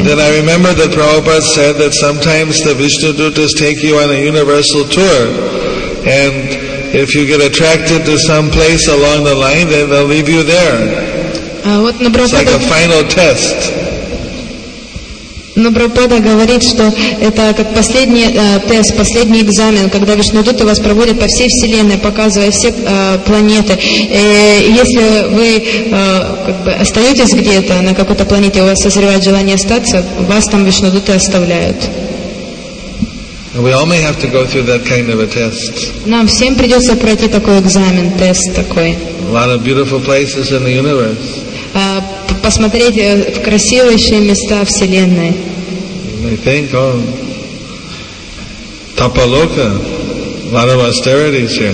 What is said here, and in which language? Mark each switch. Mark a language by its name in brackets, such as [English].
[English] Then I remember that Prabhupada said that sometimes the Vishnu Dutas take you on a universal tour, and if you get attracted to some place along the line, then they'll leave you there. It's like a final test. [Russian] Но Прабхупада говорит, что это как последний тест, последний экзамен, когда Вишнудуты вас проводят по всей Вселенной, показывая все планеты. И если вы как бы остаетесь где-то на какой-то планете, у вас созревает желание остаться, вас там Вишнудуты оставляют. [English] We all may have to go through that kind of a test. [Russian] Нам всем придется пройти такой экзамен, тест такой. [English] A lot of beautiful places in the universe. [Russian] Посмотреть в красивейшие места Вселенной. [English] I think, Тапалока. A lot of austerities here.